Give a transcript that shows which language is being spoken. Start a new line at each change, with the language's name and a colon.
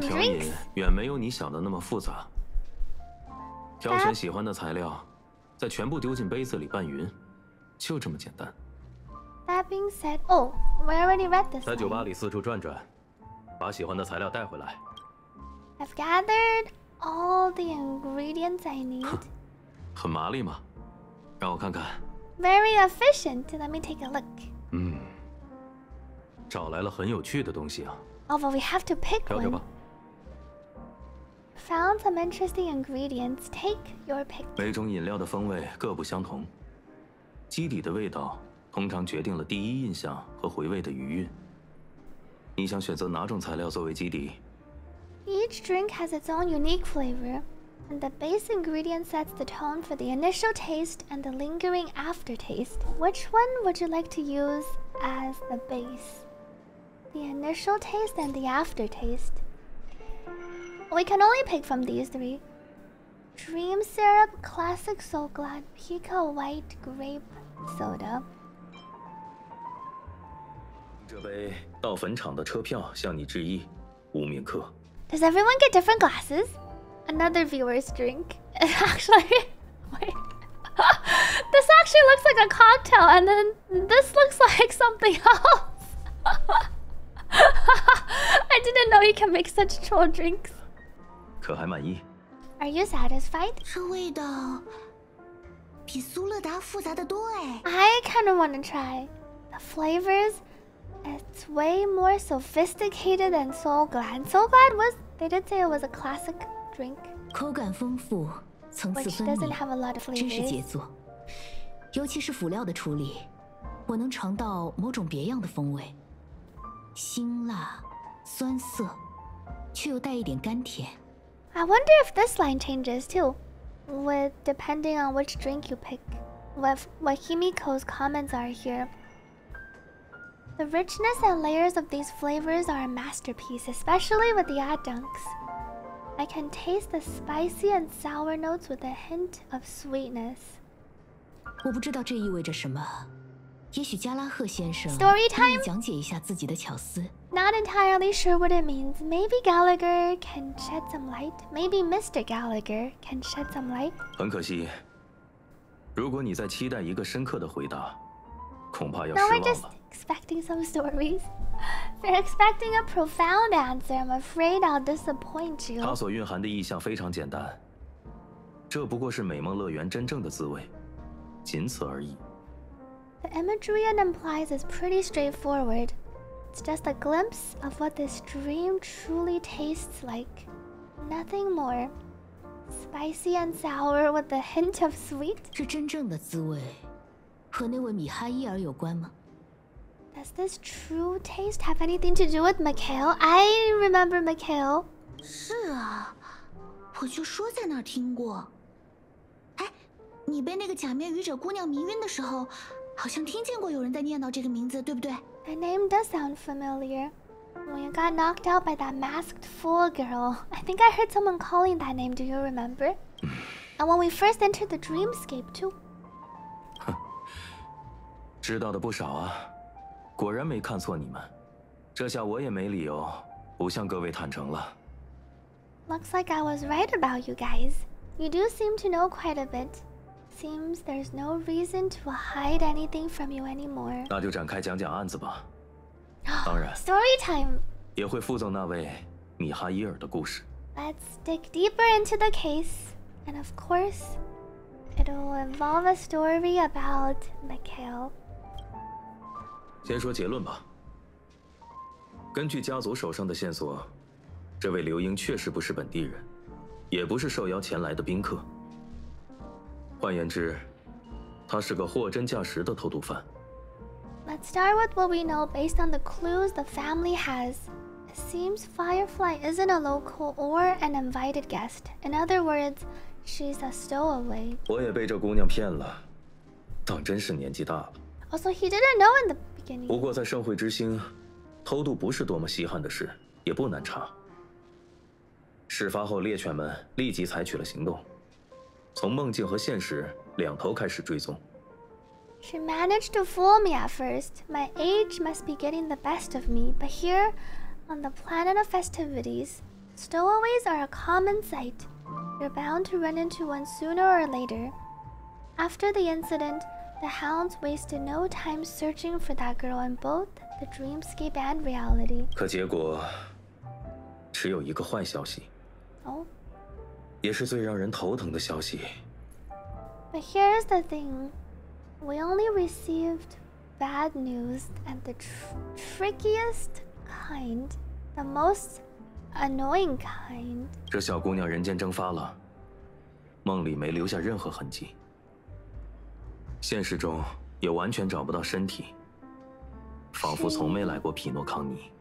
Chinese: 调饮远没有你想的那么复杂。挑选喜欢的材料，再全部丢进杯子里拌匀，就这么简单。
English: That being said, oh, we already read this.
Chinese: 在酒吧里四处转转，把喜欢的材料带回来。
English: I've gathered all the ingredients I need.
Chinese: 很麻利吗？让我看看。
English: Very efficient. Let me take a look.
Chinese: 找来了很有趣的东西啊。
English: Oh, but we have to pick one.
Chinese: 挑挑吧。
English: Found some interesting ingredients. Take your pick.
Chinese: 每种饮料的风味各不相同。基底的味道通常决定了第一印象和回味的余韵。你想选择哪种材料作为基底？
English: Each drink has its own unique flavor, and the base ingredient sets the tone for the initial taste and the lingering aftertaste. Which one would you like to use as the base? The initial taste and the aftertaste. We can only pick from these three. Dream syrup, classic soul glad, pico white grape soda.
Chinese: 这杯到坟场的车票向你致意，无名客。
English: Does everyone get different glasses? Another viewer's drink. It actually... Wait. This actually looks like a cocktail, and then this looks like something else. I didn't know you can make such troll drinks.
Chinese: 可还满意?
English: Are you satisfied?
Chinese: 这味道比苏勒达复杂得多哎。
English: I kind of want to try. The flavors... It's way more sophisticated than Soul Glad. Soul Glad was... They did say it was a classic drink.
Chinese: 口感丰富，层次分明。
English: Which doesn't have a lot of flavors.
Chinese: 真是杰作。尤其是辅料的处理，我能尝到某种别样的风味。辛辣，酸涩，却又带一点甘甜。
English: I wonder if this line changes too. With depending on which drink you pick. What Himiko's comments are here. The richness and layers of these flavors are a masterpiece, especially with the adjuncts. I can taste the spicy and sour notes with a hint of sweetness.
Chinese: 我不知道这意味着什么。也许加拉赫先生
English: Story time?
Chinese: 可以讲解一下自己的巧思。
English: Not entirely sure what it means. Maybe Gallagher can shed some light. Maybe Mr. Gallagher can shed some light.
Chinese: 很可惜，如果你在期待一个深刻的回答，恐怕要失望了。
English: Expecting some stories. If you're expecting a profound answer, I'm afraid I'll disappoint you.
Chinese: 它所蕴含的意象非常简单。这不过是美梦乐园真正的滋味，仅此而已。
English: The imagery it implies is pretty straightforward. It's just a glimpse of what this dream truly tastes like. Nothing more. Spicy and sour with a hint of sweet.
Chinese: 这真正的滋味和那位米哈伊尔有关吗？
English: Does this true taste have anything to do with Mikhail? I remember Mikhail.
Chinese: 是啊，我就说在哪听过。哎，你被那个假面愚者姑娘迷晕的时候，好像听见过有人在念叨这个名字，对不对
English: ？My name does sound familiar. When you got knocked out by that masked fool girl, I think I heard someone calling that name. Do you remember? And when we first entered the dreamscape too.
Chinese: 知道的不少啊。果然没看错你们，这下我也没理由不向各位坦诚了。
English: Looks like I was right about you guys. You do seem to know quite a bit. Seems there's no reason to hide anything from you anymore.
Chinese: 那就展开讲讲案子吧。当然。
English: Story time.
Chinese: 也会附赠那位米哈伊尔的故事。
English: Let's dig deeper into the case, and of course, it'll involve a story about Mikhail.
Chinese: 先说结论吧。根据家族手上的线索，这位刘英确实不是本地人，也不是受邀前来的宾客。换言之，他是个货真价实的偷渡犯。
English: Let's start with what we know based on the clues the family has. It seems Firefly isn't a local or an invited guest. In other words, she's a stowaway.
Chinese: 我也被这姑娘骗了，当真是年纪大了。
English: Also, he didn't know in the...
Chinese: 不过在盛会之星，偷渡不是多么稀罕的事，也不难查。事发后，猎犬们立即采取了行动，从梦境和现实两头开始追踪。
English: She managed to fool me at first. My age must be getting the best of me. But here, on the planet of festivities, stowaways are a common sight. You're bound to run into one sooner or later. After the incident,The hounds wasted no time searching for that girl in both the dreamscape and reality.
Chinese: 可结果，只有一个坏消息。哦。也是最让人头疼的消息。
English: But here's the thing, we only received bad news and the trickiest kind, the most annoying kind.
Chinese: 这小姑娘人间蒸发了，梦里没留下任何痕迹。现实中也完全找不到身体，仿佛从没来过匹诺康尼。